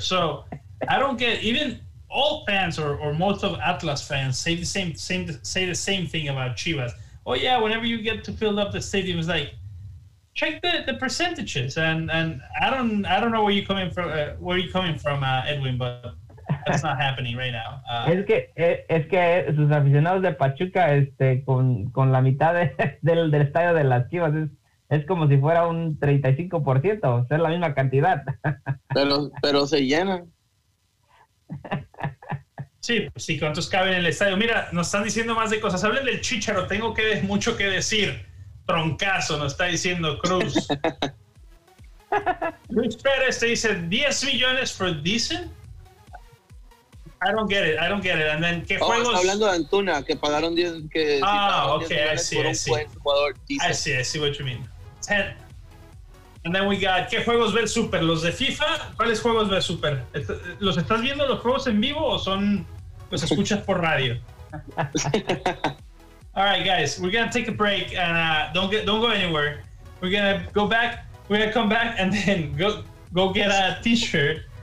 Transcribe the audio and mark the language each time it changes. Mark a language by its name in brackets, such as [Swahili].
[English] So I don't get even all fans or most of Atlas fans say the same thing about Chivas. Oh yeah, whenever you get to fill up the stadium, it's like, check the percentages, and I don't know where you're coming from, Edwin, but that's not happening right now. [Spanish] Es que sus aficionados de Pachuca con la mitad del estadio de las Chivas es como si fuera un 35%, o sea, la misma cantidad. pero se llenan. Sí, cuántos caben en el estadio. Mira, nos están diciendo más de cosas. Hablen del Chicharo, tengo que mucho que decir. Troncazo, nos está diciendo Cruz. [English] Luis Pérez [Spanish] te dice 10 millones [English] for Deason. I don't get it. And then, [Spanish] ¿qué juegos? Estás hablando de Antuna, que pagaron 10 millones. Ah, si pagaron [English] 10 okay, millones, I see what you mean. 10. And then we got, [Spanish] ¿qué juegos ve el Super? ¿Los de FIFA? ¿Cuáles juegos ve el Super? ¿Los estás viendo los juegos en vivo o son los escuchas por radio? [English] All right, guys, we're going to take a break and don't go anywhere. We're going to go back. We're going to come back and then go get a t-shirt.